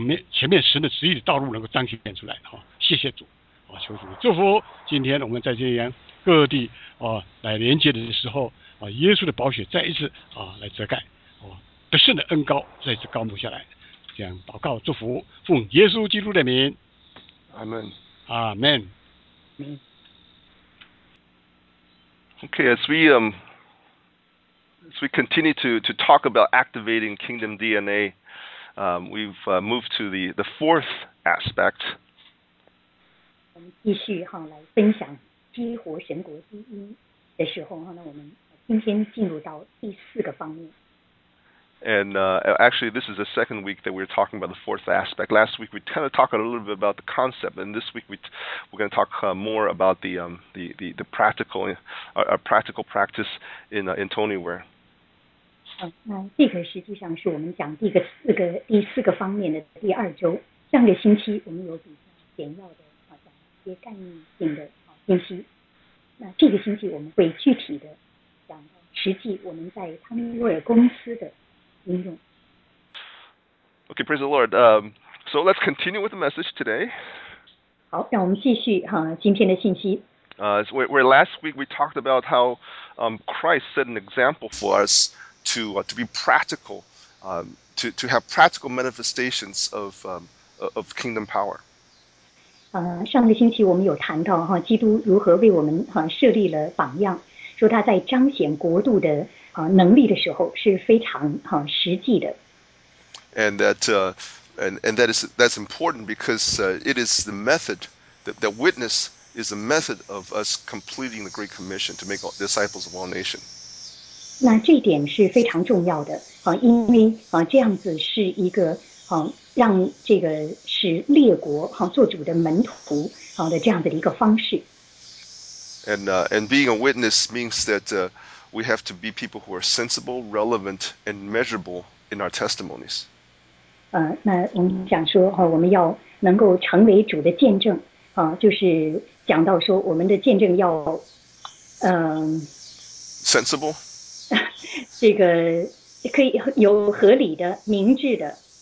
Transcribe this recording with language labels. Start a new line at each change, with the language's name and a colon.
Chinese: 前面神的旨意的道路能够彰显出来。谢谢主，求主祝福。今天我们在这样各地来连接的时候，耶稣的宝血再一次来遮盖，得胜的恩膏再一次高牧下来。这样祷告祝福，奉耶稣基督的名。阿门。阿门。
English: Okay, as we continue to talk about activating kingdom DNA, we've moved to the fourth aspect. Actually, this is the second week that we're talking about the fourth aspect. Last week we kind of talked a little bit about the concept, and this week we're going to talk more about the practical practical practice in Tonyware.
Chinese: 那这个实际上是我们讲第四个方面的第二周。上个星期我们有比较简要的讲一些概念性的信息，那这个星期我们会具体的讲实际我们在汤米威尔公司的应用。
English: Okay, praise the Lord. So let's continue with the message today.
Chinese: 好，让我们继续哈今天的信息。
English: Where last week we talked about how Christ set an example for us to be practical, to have practical manifestations of kingdom power.
Chinese: 上个星期我们有谈到哈，基督如何为我们哈设立了榜样，说他在彰显国度的哈能力的时候是非常哈实际的。
English: And that and that is that's important because it is the method that witness is a method of us completing the Great Commission to make disciples of all nations.
Chinese: 那这点是非常重要的啊，因为啊这样子是一个啊让这个使列国啊做主的门徒啊的这样的一个方式。
English: And being a witness means that we have to be people who are sensible, relevant, and measurable in our testimonies.
Chinese: 那我们讲说啊，我们要能够成为主的见证啊，就是讲到说我们的见证要
English: sensible，
Chinese: 这个可以有合理的、明智的